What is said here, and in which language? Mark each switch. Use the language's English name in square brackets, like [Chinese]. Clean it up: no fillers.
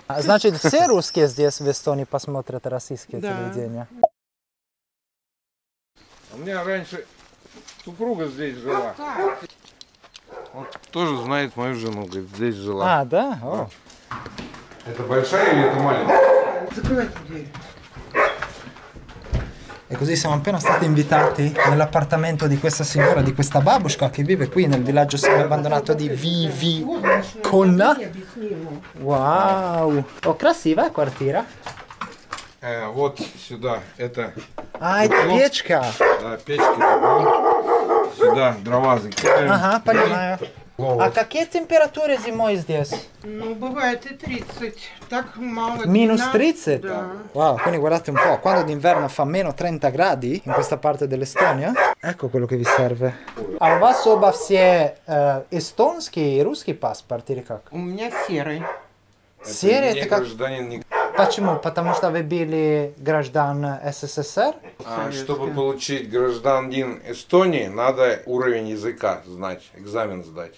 [Russian] А, значит, все русские здесь в Эстонии посмотрят российские телевидения. У меня раньше супруга здесь жила. Он тоже знает мою жену, говорит, здесь жила. А, да? О. Это большая или это маленькая? Закрывайте дверь. [Italian] E così siamo appena stati invitati nell'appartamento di questa signora, di questa babushka che vive qui nel villaggio semiabbandonato di Vivikonna. [Russian] Wow! Oh, красивая квартира. Вот сюда это. А, это печка. Да, печка. Сюда дрова закидываем. Ага, понимаю. А какие температуры зимой здесь? Ну, бывает и 30, так мало. Минус 30? Да. [Italian] Вау, quindi guardate un po', quando d'inverno fa meno 30 gradi in questa parte dell'Estonia, ecco quello che vi serve. [Russian] А у вас оба все эстонский и русский паспорт или как? У меня серый. Серый это как? Гражданин не... Почему? Потому что вы были граждан СССР? А, чтобы получить гражданин Эстонии, надо уровень языка знать, экзамен сдать.